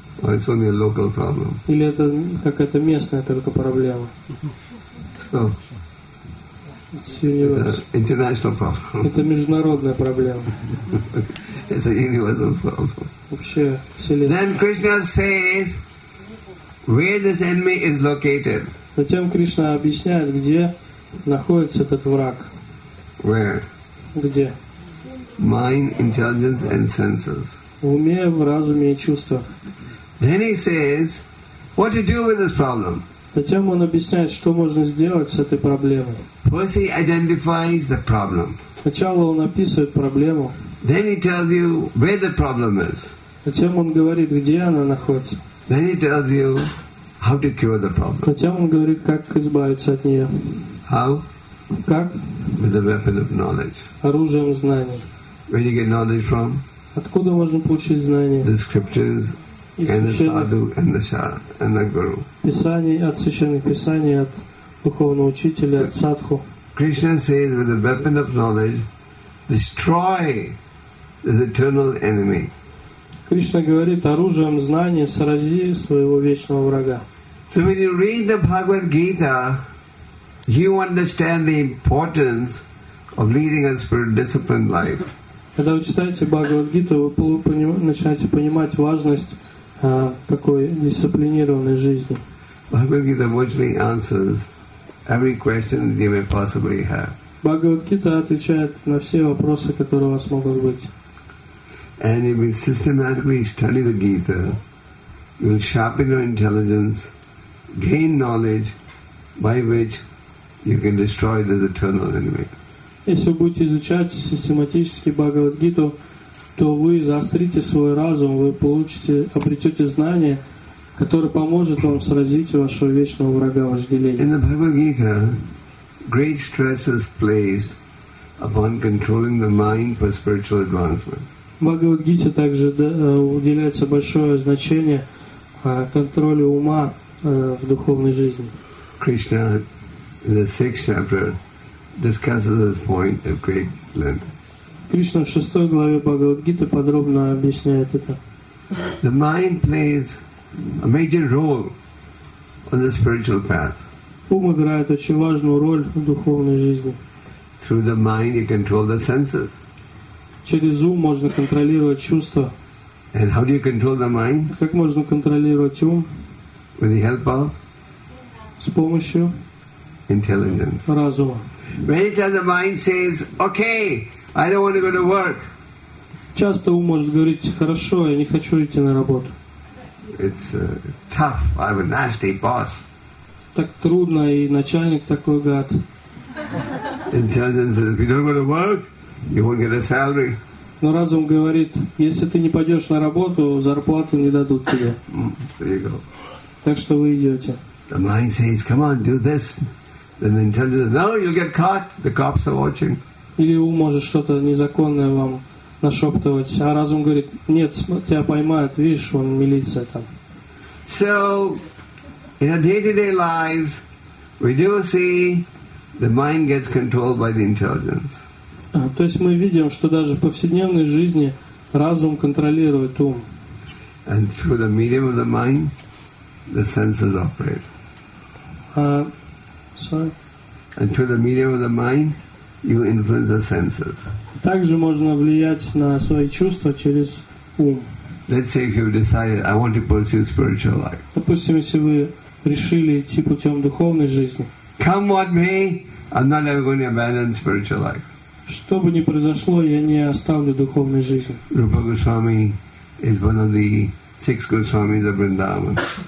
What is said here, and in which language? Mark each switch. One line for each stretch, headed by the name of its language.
English: Or it's only a local problem.
Russian: Или это какая-то местная только проблема. Это международная проблема.
English: It's a universal problem.
Russian: Вообще, вселенная.
English: Then Krishna says, where this enemy is located.
Russian: Затем Кришна объясняет, где находится этот враг.
English: Where?
Russian: Где?
English: Mind, intelligence, and senses.
Russian: В уме, в разуме и чувствах.
English: Then he says, what to do with this problem?
Russian: Затем он объясняет, что можно сделать с этой проблемой.
English: First he identifies the problem.
Russian: Сначала он описывает проблему.
English: Then he tells you where the problem is.
Russian: Затем он говорит, где она находится.
English: Then he tells you how to cure the problem.
Russian: Затем он говорит, как избавиться от нее.
English: How?
Russian: Как?
English: With the weapon of knowledge.
Russian: Оружием знания.
English: Where do you get knowledge from?
Russian: Откуда можно получить знания?
English: The scriptures. And the sadhu and the sha and the guru.
Russian: Писание от священных писаний, от духовного учителя, от садху.
English: Krishna says, with the weapon of knowledge, destroy the eternal enemy.
Russian: Кришна говорит, оружием знания срази своего вечного врага.
English: So when you read the Bhagavad Gita, you understand the importance of leading a spiritual disciplined life.
Russian: Когда вы читаете Бхагавад Гиту, вы начинаете понимать важность такой дисциплинированной жизни.
English: Бхагавад-гита virtually answers every question that you may possibly have.
Russian: Бхагавад-гита отвечает на все вопросы, которые у вас могут быть.
English: And if you systematically study the Gita, you will sharpen your intelligence, gain knowledge by which you can destroy the eternal enemy.
Russian: Если вы будете изучать систематически Бхагавад-гиту, то вы заострите свой разум, вы получите, обретете знание, которое поможет вам сразить вашего вечного врага, вожделения.
English: In the Bhagavad Gita, great stress is placed upon controlling the mind for spiritual advancement.
Russian: В Бхагавад Гите также уделяется большое значение контролю ума в духовной жизни.
English: Krishna, in the sixth chapter, discusses this point of great length.
Russian: Кришна в шестой главе Бхагавад-гиты подробно объясняет это.
English: The mind plays a major role on the spiritual path.
Russian: Ум играет очень важную роль в духовной жизни.
English: Through the mind you control the senses.
Russian: Через ум можно контролировать чувства.
English: And how do you control the mind?
Russian: Как можно контролировать ум?
English: With the help of?
Russian: С помощью?
English: Intelligence.
Russian: Разума.
English: Many times the mind says, okay, I don't want to go to work.
Russian: Часто ум может говорить, хорошо, я не хочу идти на работу.
English: It's tough. I have a nasty boss.
Russian: Так трудно, и начальник такой гад.
English: Intelligence says, if you don't go to work, you won't get a salary.
Russian: Но разум говорит, если ты не пойдешь на работу, зарплату не дадут тебе.
English: There you go.
Russian: Так что вы идете.
English: The mind says, come on, do this. Then the intelligence says, no, you'll get caught. The cops are watching.
Russian: Или ум может что-то незаконное вам нашептывать, а разум говорит, нет, тебя поймают, видишь, вон милиция там.
English: So, in our day-to-day lives, we do see the mind gets controlled by the intelligence.
Russian: То есть мы видим, что даже в повседневной жизни разум контролирует ум.
English: And through the medium of the mind, the senses operate. And through the medium of the mind, you influence the senses.
Russian: Также можно влиять на свои чувства через ум.
English: Let's say if you decided, I want to pursue spiritual life.
Russian: Допустим, если вы решили идти путем духовной жизни.
English: Come what may, I'm not ever going to abandon spiritual life.
Russian: Что бы ни произошло, я не оставлю духовной жизни.
English: Rupa Goswami is one of the six Goswamis of Vrindavan.